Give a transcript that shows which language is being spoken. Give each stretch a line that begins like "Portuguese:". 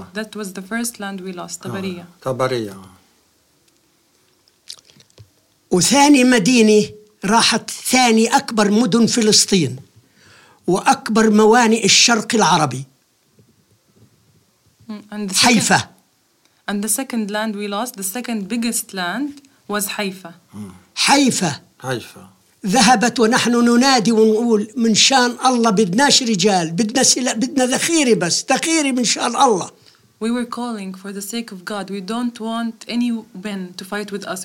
English: That was the first land we lost, Tabariya. Tabariya.
Arabic: وثاني مدينة راحت ثاني أكبر مدن فلسطين وأكبر موانئ الشرق العربي.
English: And the
Arabic: حيفا.
English: And the second land we lost, the second biggest land was حيفا.
Arabic: حيفا. ذهبت ونحن ننادي ونقول من شان الله بدناش رجال بدنا ذخيرة بس ذخيرة من شان الله.
English: We were calling for the sake of God. We don't want any men to fight with us.